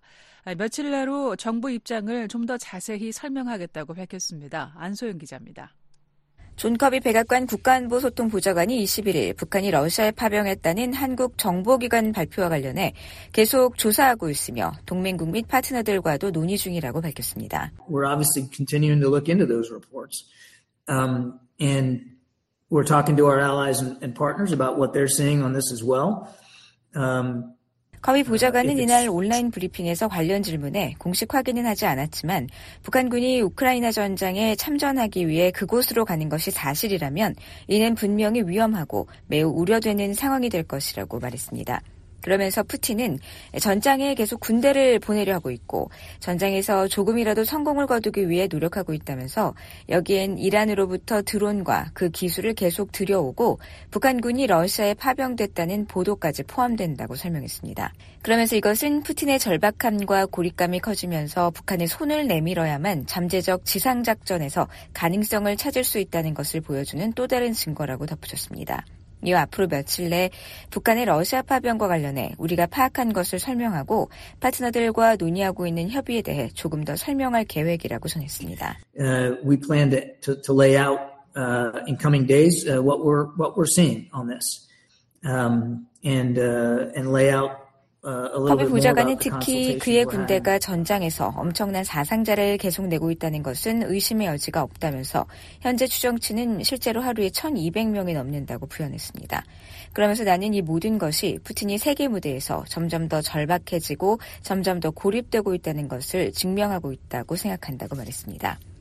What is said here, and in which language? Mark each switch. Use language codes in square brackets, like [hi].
[ko] 며칠 내로 정부 입장을 좀 더 자세히 설명하겠다고 밝혔습니다. 안소연 기자입니다. 존 커비 백악관 국가안보 소통 보좌관이 21일 북한이 러시아에 파병했다는 한국 정보기관 발표와 관련해 계속 조사하고 있으며 동맹국 및 파트너들과도 논의 중이라고 밝혔습니다. [en] We're obviously continuing to look into those reports. And we're talking to our allies and partners about what they're seeing on this as well. [ko] 커비 보좌관은 이날 온라인 브리핑에서 관련 질문에 공식 확인은 하지 않았지만 북한군이 우크라이나 전장에 참전하기 위해 그곳으로 가는 것이 사실이라면 이는 분명히 위험하고 매우 우려되는 상황이 될 것이라고 말했습니다. 그러면서 푸틴은 전장에 계속 군대를 보내려 하고 있고 전장에서 조금이라도 성공을 거두기 위해 노력하고 있다면서 여기엔 이란으로부터 드론과 그 기술을 계속 들여오고 북한군이 러시아에 파병됐다는 보도까지 포함된다고 설명했습니다. 그러면서 이것은 푸틴의 절박함과 고립감이 커지면서 북한의 손을 내밀어야만 잠재적 지상작전에서 가능성을 찾을 수 있다는 것을 보여주는 또 다른 증거라고 덧붙였습니다. 이 앞으로 며칠 내 북한의 러시아 파병과 관련해 우리가 파악한 것을 설명하고 파트너들과 논의하고 있는 협의에 대해 조금 더 설명할 계획이라고 전했습니다. [en] We plan to lay out in coming days what we're seeing on this. And lay out [ko] 커비 부좌관은 특히 그의 군대가 전장에서 엄청난 사상자를 계속 내고 있다는 것은 의심의 여지가 없다면서 현재 추정치는 실제로 하루에 1,200명이 넘는다고 부연했습니다. 그러면서 나는 이 모든 것이 푸틴이 세계 무대에서 점점 더 절박해지고 점점 더 고립되고 있다는 것을 증명하고 있다고 생각한다고 말했습니다.